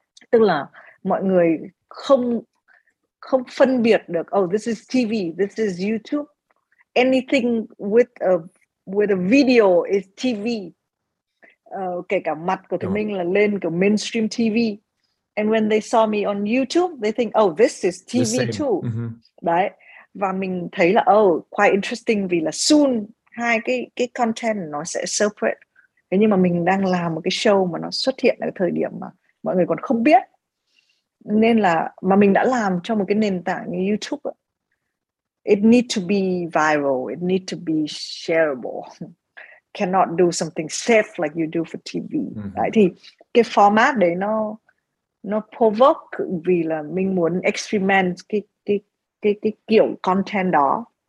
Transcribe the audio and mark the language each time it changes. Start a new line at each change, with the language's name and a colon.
Vietnamese: Tức là mọi người không phân biệt được
English: oh this is TV, this is YouTube. Anything with a video is TV.
Vietnamese: Kể cả mặt của Thùy Minh là lên kiểu mainstream TV.
English: And when they saw me on YouTube, they think oh this is TV too. Mm-hmm.
Vietnamese: Đấy. Và mình thấy là
English: oh quite interesting
Vietnamese: vì là soon hai cái content nó sẽ separate. Thế nhưng mà mình đang làm một cái show mà nó xuất hiện ở thời điểm mà mọi người còn không biết. Nên là mà mình đã làm cho một cái nền tảng như YouTube.
English: It need to be viral, it need to be shareable. Cannot do something safe like you do for TV. Mm-hmm.
Vietnamese: Đấy, thì cái format đấy nó provoke vì là mình muốn experiment cái kiểu content đó.